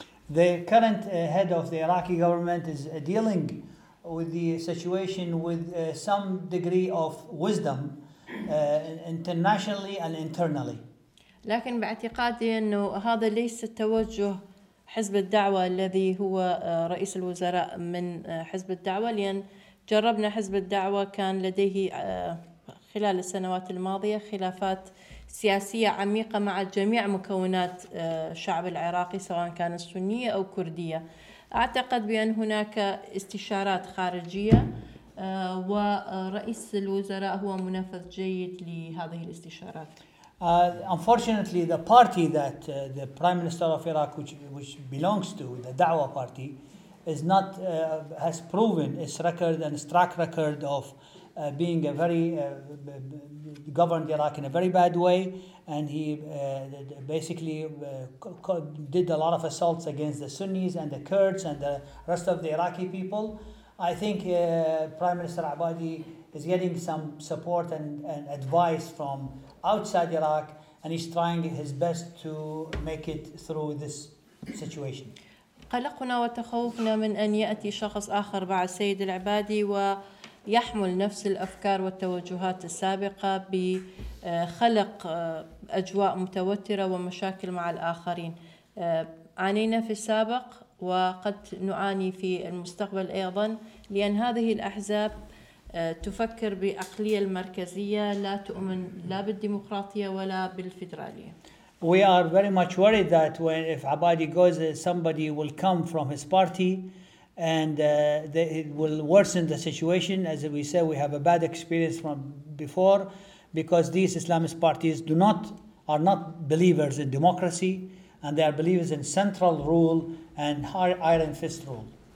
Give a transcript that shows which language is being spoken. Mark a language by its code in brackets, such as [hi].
[en] The current head of the Iraqi government is dealing with the situation with some degree of wisdom internationally and internally. [ar] لكن باعتقادي أنه هذا ليس توجه حزب الدعوة الذي هو رئيس الوزراء من حزب الدعوة، لأن جربنا حزب الدعوة كان لديه خلال السنوات الماضية خلافات سياسية عميقة مع جميع مكونات الشعب العراقي سواء كانت سنية أو كردية. أعتقد بأن هناك استشارات خارجية ورئيس الوزراء هو منفذ جيد لهذه الاستشارات. [en] Unfortunately, the party that the Prime Minister of Iraq, which belongs to, the Dawa Party, is not has proven its record and its track record of being a very governed Iraq in a very bad way, and he basically did a lot of assaults against the Sunnis and the Kurds and the rest of the Iraqi people. I think Prime Minister Abadi is getting some support and advice from outside Iraq, and he's trying his best to make it through this situation. [ar] قلقنا وتخوفنا من أن يأتي شخص آخر بعد سيد العبادي ويحمل نفس الأفكار والتوجهات السابقة بخلق أجواء متوترة ومشاكل مع الآخرين. عانينا في السابق وقد نعاني في المستقبل أيضا، لأن هذه الأحزاب تفكر بعقلية المركزية، لا تؤمن لا بالديمقراطية ولا بالفيدرالية. [en] We are very much worried that when if Abadi goes, somebody will come from his party, and it will worsen the situation. As we say, we have a bad experience from before, because these Islamist parties are not believers in democracy, and they are believers in central rule and iron fist rule.